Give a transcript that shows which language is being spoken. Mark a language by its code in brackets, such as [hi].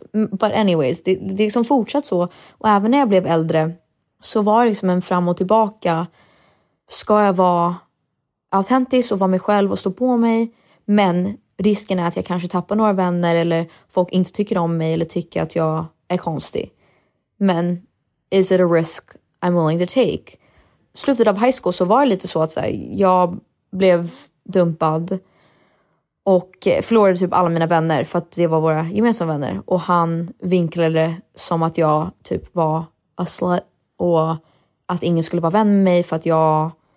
[en] But anyways, [sv] det är liksom fortsatt så. Och även när jag blev äldre så var det liksom en fram och tillbaka. Ska jag vara autentisk och vara mig själv och stå på mig? Men... risken är att jag kanske tappar några vänner eller folk inte tycker om mig eller tycker att jag är konstig. Men [en] is it a risk I'm willing to take? [sv] Slutet av high school så var det lite så att så här, jag blev dumpad och förlorade typ alla mina vänner för att det var våra gemensamma vänner. Och han vinklade som att jag typ var [en] a slut [sv] och att ingen skulle vara vän med mig för att jag...